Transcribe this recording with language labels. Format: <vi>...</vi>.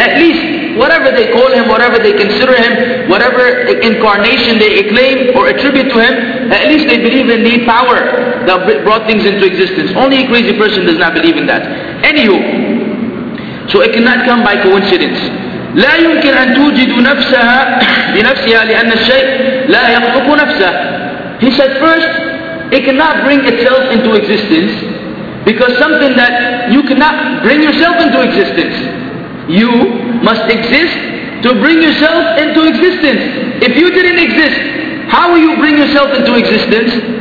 <en>At least, whatever they call him, whatever they consider him, whatever incarnation they claim or attribute to him, at least they believe in the power that brought things into existence. Only a crazy person does not believe in that. Anywho, so it cannot come by coincidence.</en> <ar>لا يمكن أن توجد نفسها بنفسها لأن الشيء لا يخلق نفسه.</ar> <en>He said first, it cannot bring itself into existence because something that you cannot bring yourself into existence. You must exist to bring yourself into existence. If you didn't exist, how will you bring yourself into existence?</en>